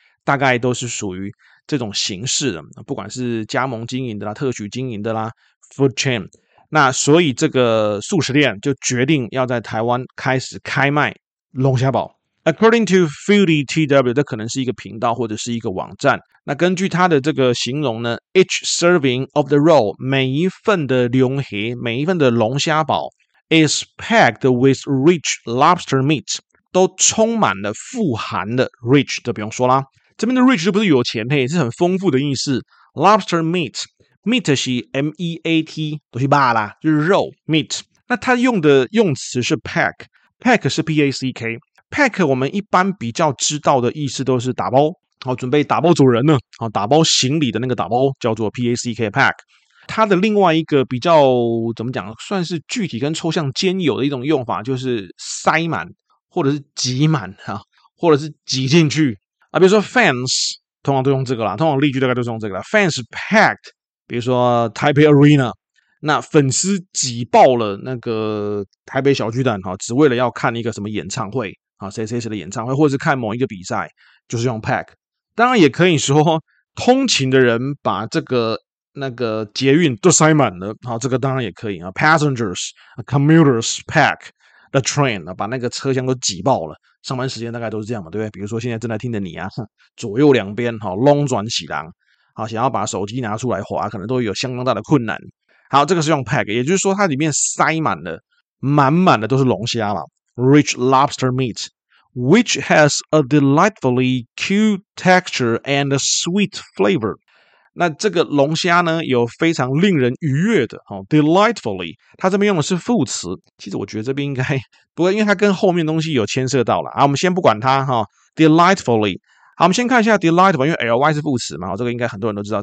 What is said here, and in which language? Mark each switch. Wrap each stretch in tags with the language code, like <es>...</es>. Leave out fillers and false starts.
<zh>大概都是属于这种形式的不管是加盟经营的啦特许经营的啦</zh> <en>food chain</en> <zh>那所以这个素食店就决定要在台湾开始开卖龙虾堡</zh> <en>according to foodie tw</en> <zh>这可能是一个频道或者是一个网站那根据他的这个形容呢</zh> <en>each serving of the roll</en> <zh>每一份的龙虾每一份的龙虾堡</zh> <en>is packed with rich lobster meat</en> <zh>都充满了富含的 rich 这不用说啦这边的 rich 就不是有钱嘿，是很丰富的意思。 Lobster meat， meat 是 M-E-A-T， 都是肉啦，就是肉 meat。那它用的用词是 pack， pack 是 P-A-C-K， pack 我们一般比较知道的意思都是打包，好准备打包走人呢，好打包行李的那个打包叫做 P-A-C-K pack。它的另外一个比较怎么讲，算是具体跟抽象兼有的一种用法，就是塞满或者是挤满啊，或者是挤进去。啊，比如说 fans 通常都用这个啦，通常例句大概都是用这个啦。</zh> <en>fans packed，</en> <zh>比如说 Taipei Arena， 那粉丝挤爆了那个台北小巨蛋哈，只为了要看一个什么演唱会啊，谁谁谁的演唱会，或者是看某一个比赛，就是用 pack。当然也可以说，通勤的人把这个那个捷运都塞满了，好，这个当然也可以啊。</zh> <en>passengers commuters pack the train，</en> <zh>把那个车厢都挤爆了。上班时间大概都是这样嘛，对不对？比如说现在正在听着你啊，左右两边好拢转喜郎，好想要把手机拿出来滑，可能都有相当大的困难。好，这个是用 pack， 也就是说它里面塞满了，满满的都是龙虾了 ，</zh> <en>rich lobster meat， which has a delightfully cute texture and a sweet flavor。</en> <zh>那这个龙虾呢，有非常令人愉悦的哦 ，delightfully。它这边用的是副词，其实我觉得这边应该，不过因为它跟后面东西有牵涉到了啊，我们先不管它哈、哦。 delightfully， 好，我们先看一下 delightful， 因为 ly 是副词嘛，这个应该很多人都知道。</zh>